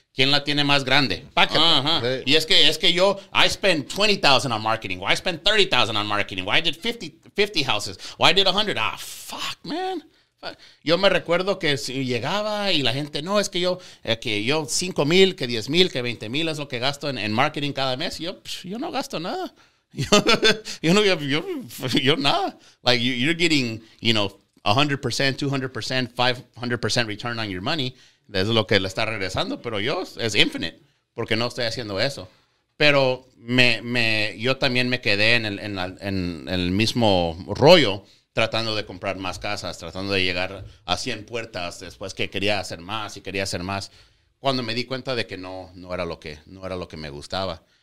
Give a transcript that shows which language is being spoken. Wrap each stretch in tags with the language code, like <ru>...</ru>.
<es>¿Quién la tiene más grande? Uh-huh. Y es que yo,</es> <en>I spend $20,000 on marketing, or I spend $30,000 on marketing, or I did 50 houses, or I did 100. Ah, fuck, man.</en> <es>Yo me recuerdo que si llegaba y la gente, no, es que yo, $5,000, que $10,000, que $20,000 es lo que gasto en marketing cada mes. Yo no gasto nada.</es> <en>you're not like you're getting, you know, 100%, 200%, 500% return on your money.</en> <es>Es lo que le está regresando, pero yo es infinite porque no estoy haciendo eso. Pero yo también me quedé en el mismo rollo, tratando de comprar más casas, tratando de llegar a 100 puertas después, que quería hacer más y quería hacer más, cuando me di cuenta de que no era lo que me gustaba.</es>